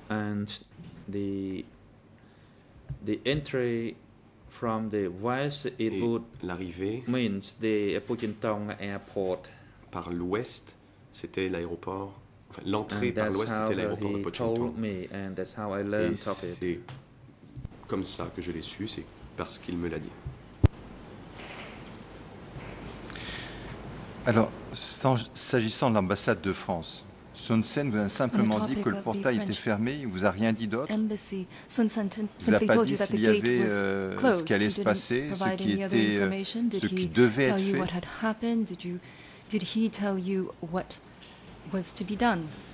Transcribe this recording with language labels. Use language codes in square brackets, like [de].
[en] And the entry from the west, it would means the Pudjintong airport. [fr] Par l'ouest, c'était l'aéroport. Enfin, l'entrée par l'ouest était l'aéroport de Pudjintong. [en] And that's how I learned [fr] et c'est [en] it. [fr] Comme ça que je l'ai su, c'est parce qu'il me l'a dit. Alors, s'agissant de l'ambassade de France, Sun Sen vous a simplement dit que le portail était fermé, il ne vous a rien dit d'autre. Il n'a pas dit s'il y avait ce qui allait se passer, ce qui devait être fait. [en] Did he tell you what was to be done?